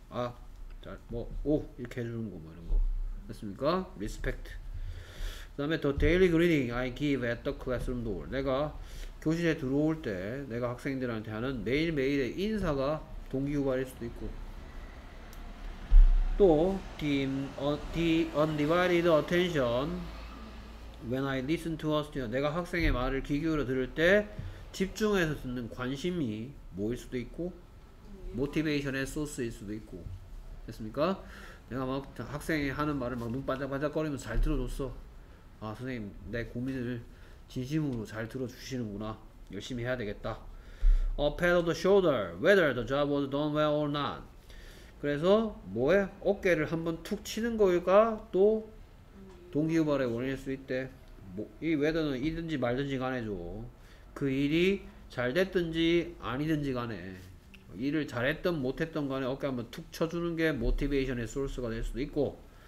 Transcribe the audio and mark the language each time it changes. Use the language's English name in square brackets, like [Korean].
[Korean] 아, 자, 뭐, 오 이렇게 해주는 거 뭐 이런 거. 됐습니까? [English] Respect. [Korean] 그 다음에 [English] the daily greeting I give at the classroom door. [Korean] 내가 교실에 들어올 때 내가 학생들한테 하는 매일매일의 인사가 동기유발일 수도 있고. [English] 또 the undivided attention when I listen to a student. [Korean] 내가 학생의 말을 귀 기울여 들을 때 집중해서 듣는 관심이 뭐일 수도 있고 motivation의 소스일 수도 있고. 됐습니까? 내가 막 학생이 하는 말을 막 눈 반짝반짝 거리면서 잘 들어줬어. 아 선생님 내 고민을 진심으로 잘 들어주시는구나. 열심히 해야 되겠다. [English] A pat on the shoulder whether the job was done well or not. [Korean] 그래서 뭐해? 어깨를 한번 툭 치는 거일까? 또 동기유발의 원인일 수 있대. 뭐, 이 whether는 이든지 말든지 간에죠. 그 일이 잘 됐든지 아니든지 간에 일을 잘했든 못했든 간에 어깨 한번 툭 쳐주는 게 모티베이션의 소스가 될 수도 있고.